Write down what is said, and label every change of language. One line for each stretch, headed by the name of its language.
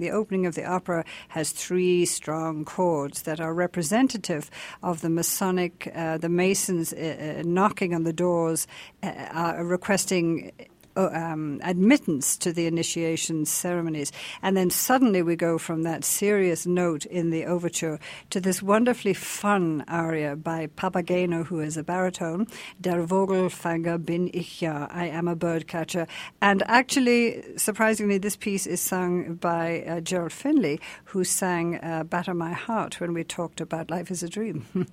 English: The opening of the opera has three strong chords that are representative of the Masonic, the Masons knocking on the doors, requesting admittance to the initiation ceremonies. And then suddenly we go from that serious note in the overture to this wonderfully fun aria by Papageno, who is a baritone.
German: Der Vogelfanger bin ich ja.
English: I am a birdcatcher. And actually, surprisingly, this piece is sung by Gerald Finley, who sang Batter My Heart when we talked about Life is a Dream.